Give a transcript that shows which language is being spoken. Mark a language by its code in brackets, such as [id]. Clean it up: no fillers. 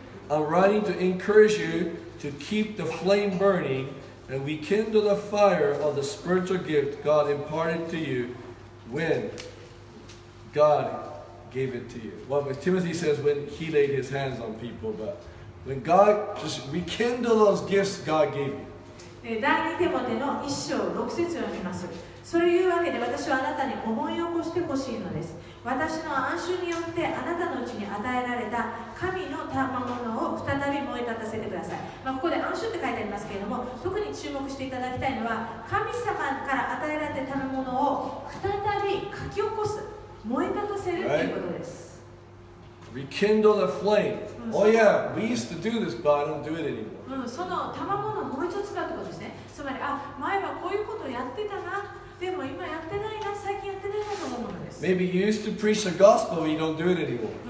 [en] I'm writing to encourage you to keep the flame burning and rekindle the fire of the spiritual gift God imparted to you when God gave it to you. Well, Timothy says when he laid his hands on people, but. When God just rekindle those gifts God gave you. [ja] 第2テモテの1章6節を読みます。そういうわけで私はあなたに思い起こしてほしいのです。私の安守によってあなたのうちに与えられた神の賜物を再び燃え立たせてください。まあ、ここで安守って書いてありますけれども、特に注目していただきたいのは神様から与えられた賜物を再び書き起こす、燃え立たせるということです。 [en] Rekindle the flame. Oh yeah, we used to do this, but I don't do it anymore. [ja] その賜物をもう一度使うということですね。つまり、あ、前はこういうことをやってたな、でも今やってないな、最近やってないなと思うのです。 [en] Maybe you used to preach the gospel, but you don't do it anymore.